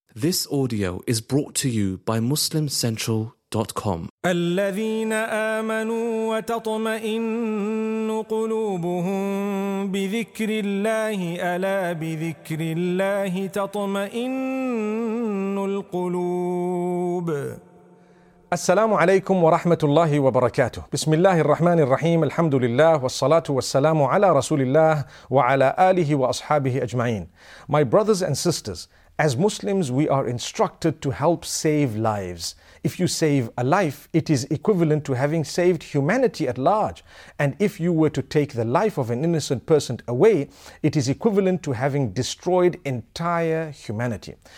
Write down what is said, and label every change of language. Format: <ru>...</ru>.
<en>This audio is brought to you by MuslimCentral.com.</en> <ar>الذين آمنوا وتطمئن قلوبهم بذكر الله ألا بذكر الله تطمئن القلوب. السلام عليكم ورحمة الله وبركاته. بسم الله الرحمن الرحيم. الحمد لله والصلاة والسلام على رسول الله وعلى آله وأصحابه أجمعين.</ar> <en>My brothers and sisters, as Muslims, we are instructed to help save lives. If you save a life, it is equivalent to having saved humanity at large. And if you were to take the life of an innocent person away, it is equivalent to having destroyed entire humanity.</en>